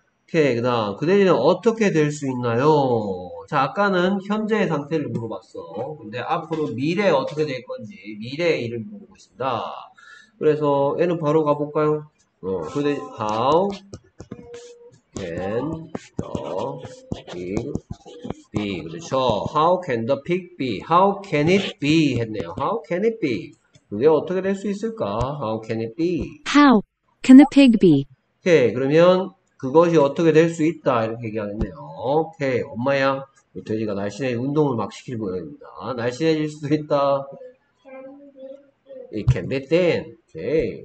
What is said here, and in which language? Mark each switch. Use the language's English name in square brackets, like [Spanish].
[Korean] Okay, 그다음 그 대신은 어떻게 될수 있나요? 자, 아까는 현재의 상태를 물어봤어. 근데 앞으로 미래에 어떻게 될 건지 미래의 일을 물어보고 있습니다. 그래서 얘는 바로 가볼까요? [English] 그대 how can the pig be? [Korean] 그렇죠. [English] How can the pig be? How can it be? 했네요. How can it be? [Korean] 그게 어떻게 될수 있을까? [English] How can it be? How can the pig be? [Korean] 오케이. 그러면 그것이 어떻게 될수 있다 이렇게 얘기하겠네요. 오케이. 엄마야, 돼지가 날씬해 운동을 막 시킬 모양입니다. 날씬해질 수도 있다. [English] It can be thin. 오케이.